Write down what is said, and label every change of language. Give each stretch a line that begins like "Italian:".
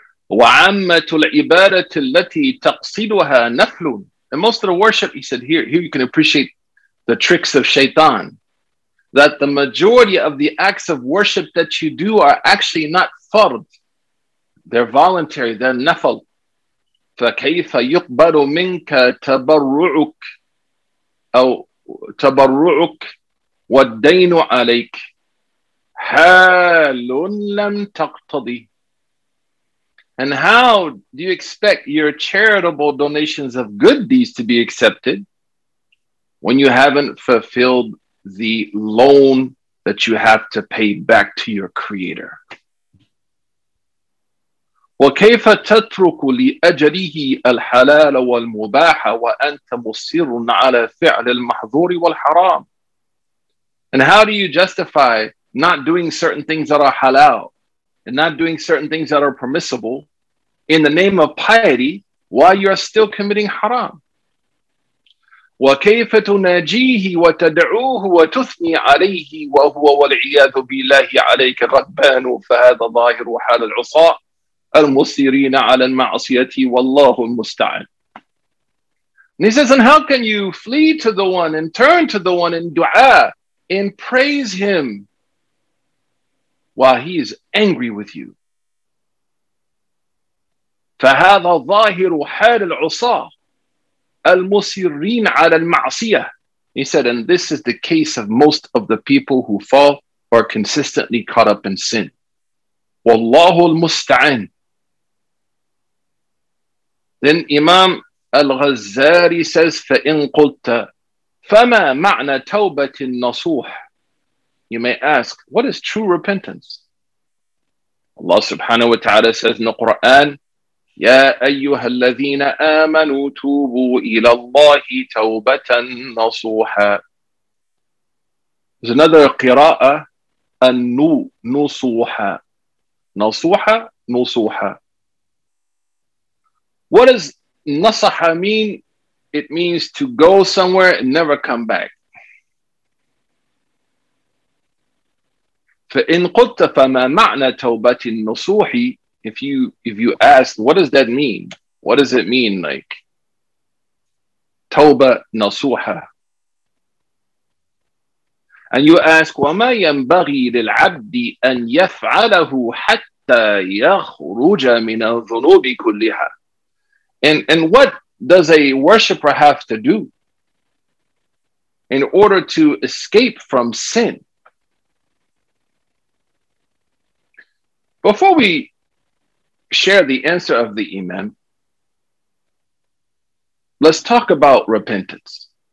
Arabic: وَعَمَّةُ الْعِبَادَةِ الَّتِي تَقْصِدُهَا نَفْلٌ.
English: And most of the worship, he said, here you can appreciate the tricks of shaitan. That the majority of the acts of worship that you do are actually not fard. They're voluntary, they're nafl.
Arabic: فَكَيْفَ يُقْبَلُ مِنْكَ تَبَرُّعُكَ أو تبرعك والدين عليك حال لم تقتضي.
English: And how do you expect your charitable donations of good deeds to be accepted when you haven't fulfilled the loan that you have to pay back to your creator?
Arabic: وكيف تترك لأجله الحلال والمباح وأنت مصر على فعل المحظور والحرام.
English: And how do you justify not doing certain things that are halal and not doing certain things that are permissible in the name of piety while you are still committing haram?
Arabic: وكيف تناجيه وتدعوه وتثني عليه وهو والعياذ بالله عليك الربان فهذا ظاهر حال العصاة المصيرين على المعصية والله المستعان.
English: And he says, and how can you flee to the one and turn to the one in dua and praise him while he is angry with you?
Arabic: فهذا ظاهر حال العصاة المصيرين على المعصية.
English: He said, and this is the case of most of the people who fall or are consistently caught up in sin.
Arabic: والله المستعان.
English: Then Imam Al-Ghazali says,
Arabic: فَإِن قُلْتَ فَمَا مَعْنَى تَوْبَةِ النَّصُوحِ.
English: You may ask, what is true repentance? Allah subhanahu wa ta'ala says in the Quran,
Arabic: يَا أَيُّهَا الَّذِينَ آمَنُوا تُوبُوا إِلَى اللَّهِ تَوْبَةً نَصُوحًا.
English: There's another qira'a, النُّصُوحَ.
Arabic: نَصُوحَ, نُصُوحَ.
English: What does nasaha mean? It means to go somewhere and never come back.
Arabic: فَإِن قُلْتَ فَمَا مَعْنَى تَوْبَةِ النُّصُوحِ.
English: If you ask, what does that mean? What does it mean, like, tawbah nasuha? And you ask,
Arabic: وَمَا يَنْبَغِي لِلْعَبْدِ أَنْ يَفْعَلَهُ حَتَّى يَخْرُجَ مِنَ الذُّنُوبِ كُلِّهَا.
English: And what does a worshipper have to do in order to escape from sin? Before we share the answer of the imam, let's talk about repentance.